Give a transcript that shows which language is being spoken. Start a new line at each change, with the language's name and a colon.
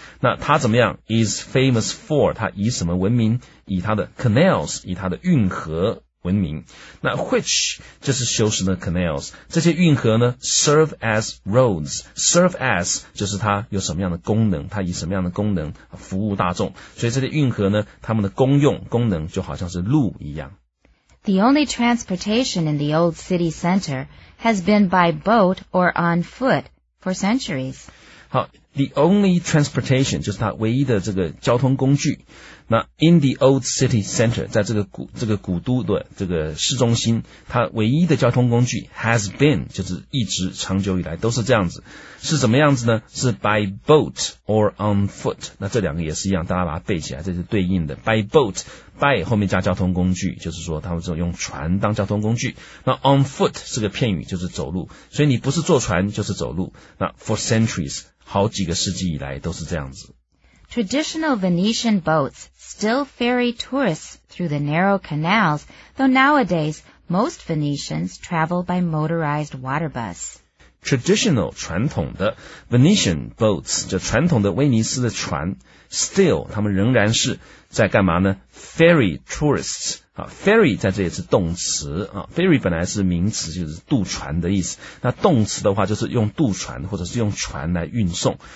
Chinese: 那它怎么样
English: is famous for，
Chinese: 它以什么闻名，以它的 canals， 以它的运河闻名。那 which 就是修饰的 canals， 这些运河呢
English: serve as roads，
Chinese: serve as 就是它有什么样的功能，它以什么样的功能服务大众，所以这些运河呢它们的功用功能就好像是路一样。
English: The only transportation in the old city center has been by boat or on foot for centuries.
Chinese: 好，
English: the only transportation
Chinese: 就是它唯一的这个交通工具，那
English: in the old city center，
Chinese: 在这个古都的这个市中心，它唯一的交通工具
English: has been，
Chinese: 就是一直长久以来都是这样子，是怎么样子呢，是
English: by boat or on foot，
Chinese: 那这两个也是一样，大家把它背起来，这是对应的 by boat， by 后面加交通工具，就是说他们只有用船当交通工具，那
English: on foot
Chinese: 是个片语，就是走路，所以你不是坐船就是走路，那
English: for centuries
Chinese: 好几个世纪以来都是这样子。
English: Traditional Venetian boats still ferry tourists through the narrow canals, though nowadays most Venetians travel by motorized water bus.
Chinese: Traditional 传统的
English: Venetian boats
Chinese: 就传统的威尼斯的船 still 他们仍然是在干嘛呢 ？
English: Ferry tourists
Chinese: 啊 ，ferry 在这里是动词啊 ，ferry 本来是名词，就是渡船的意思。那动词的话，就是用渡船或者是用船来运送。